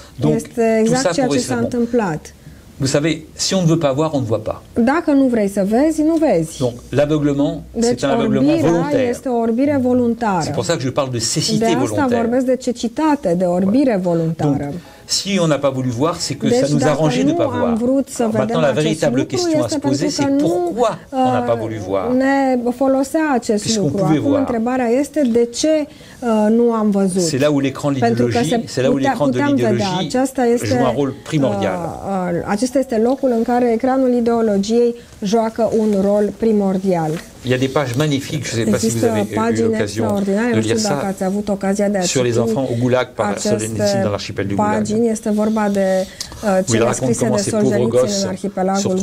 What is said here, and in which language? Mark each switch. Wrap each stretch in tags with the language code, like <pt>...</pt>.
<fr>Donc,</fr> <ro>este exact ceea ce s-a întâmplat.</ro> <fr>Vous savez, si on ne veut pas voir, on ne voit pas.</fr> <ro>Dacă nu vrei să vezi, nu vezi.</ro> <fr>Donc, l'aveuglement,</fr> <ro>deci,</ro> <fr>c'est un aveuglement volontaire.</fr> <ro>Este o orbire voluntară.</ro> <fr>C'est pour ça que je parle de cécité volontaire.</fr> <ro>De asta vorbesc de cecitate, de orbire voluntară.</ro> <fr>Si on n'a pas voulu voir, c'est que ça nous a arrangé de ne pas voir. Maintenant, la véritable question à se poser, c'est pourquoi on n'a pas voulu voir.</fr> <ro>Ne folosea acest lucru.</ro> <fr>Puisqu'on pouvait voir.</fr> <ro>Întrebarea este de ce nu am văzut.</ro> <fr>C'est là où l'écran de l'idéologie, c'est là où l'écran de l'idéologie joue un rôle primordial.</fr> <ro>Acesta este locul în care ecranul ideologiei joacă un rol primordial.</ro> <fr>Il y a des pages magnifiques, je ne sais pas si vous avez eu l'occasion de lire ça,</fr> <ro>ați avut ocazia de a</ro> <fr>sur les enfants au goulag par Solzhenitsyn dans l'archipel du goulag.</fr> <ro>Este vorba de cele scrise de Solzhenitsyn în arhipelagul</ro>